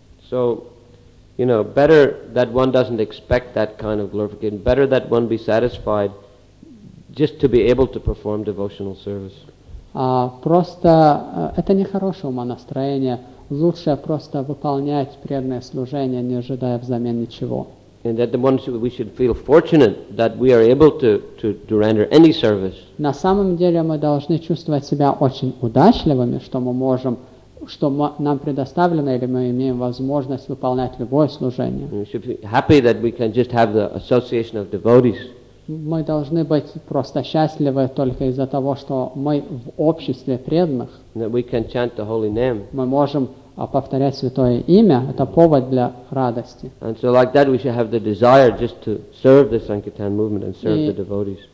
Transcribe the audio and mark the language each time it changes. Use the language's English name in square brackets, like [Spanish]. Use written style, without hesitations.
[English] So, you know, better that one doesn't expect that kind of glorification, better that one be satisfied just to be able to perform devotional service. [Russian] Просто это нехорошее умонастроение. Лучше просто выполнять преданное служение, не ожидая взамен ничего. [English] And that the ones we should feel fortunate that we are able to render any service. [Russian] На самом деле мы должны чувствовать себя очень удачливыми, что мы можем, что нам предоставлено или мы имеем возможность выполнять любое служение. [English] We should be happy that we can just have the association of devotees. [Russian] Мы должны быть просто счастливы только из-за того, что мы в обществе преданных. [English] That we can chant the holy name. [Russian] Мы можем повторять святое имя, это повод для радости. [English] And so like that we should have the desire just to serve the Sankirtan movement and serve the devotees.